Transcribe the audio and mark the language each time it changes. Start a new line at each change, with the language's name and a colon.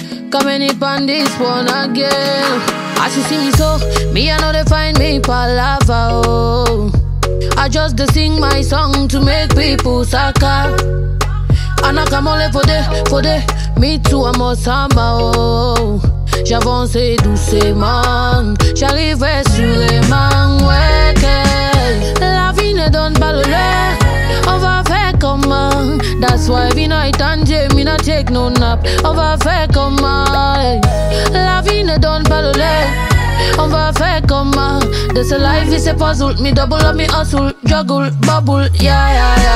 Cameroon Pidgin: Kameni pan this one again. As you see me so, me I know they find me palava, oh. I just de sing my song to make people saka. And I come only for de, me too I'm a samba, oh.
French: J'avance douce man, j'arrive sur les mains, ouais. La vie ne donne pas le lait, on va faire comment.
Cameroon Pidgin: That's why we night and day, me not take no nap,
French: on va faire comment. La vie ne donne pas le lait, on va faire comment.
Cameroon Pidgin: This life is a puzzle, me double up, me hustle, juggle, bubble, yeah.